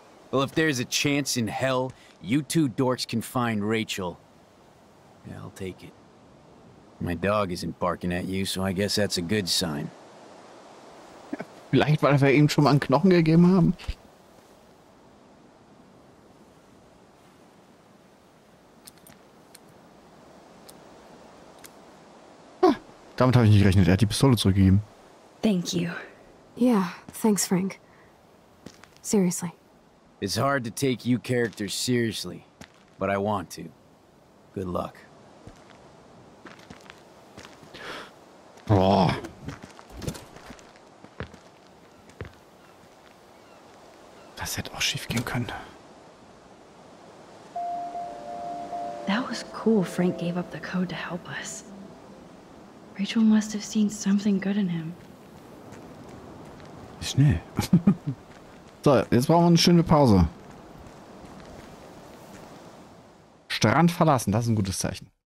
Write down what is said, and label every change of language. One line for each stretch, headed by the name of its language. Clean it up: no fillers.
English: Well, if there's a chance in hell you two dorks can find Rachel, yeah, I'll take it. My dog isn't barking at you, so I guess that's a good sign.
German: Vielleicht, weil wir ihm schon mal einen Knochen gegeben haben. Damit habe ich nicht gerechnet. Er hat die Pistole zurückgegeben.
English: Thank you. Yeah, thanks, Frank. Seriously. It's hard to take you characters seriously, but I want to. Good luck.
German: Boah. Das hätte auch schief gehen können.
English: That was cool. Frank gave up the code to help us. Rachel must have seen something good in him.
German: Schnell. So, jetzt brauchen wir eine schöne Pause. Strand verlassen, das ist ein gutes Zeichen.